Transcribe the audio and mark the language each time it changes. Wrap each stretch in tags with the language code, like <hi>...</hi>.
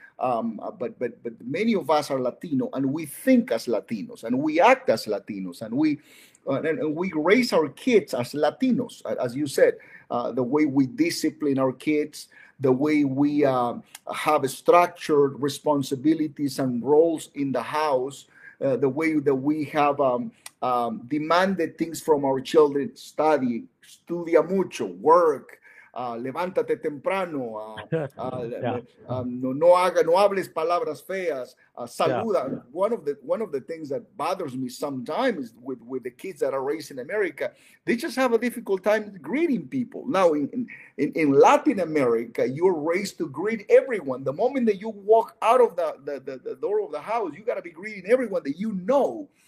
<en>But many of us are Latino, and we think as Latinos, and we act as Latinos, and we raise our kids as Latinos, as you said, the way we discipline our kids, the way we have structured responsibilities and roles in the house, the way that we have demanded things from our children, study,</en> <es>estudia mucho,</es> <en>work,</en> <es>levántate temprano, no hables palabras feas, saluda.</es> <en>Yeah. One of the things that bothers me sometimes with the kids that are raised in America, they just have a difficult time greeting people. Now, in Latin America, you're raised to greet everyone. The moment that you walk out of the door of the house, you got to be greeting everyone that you know.</en>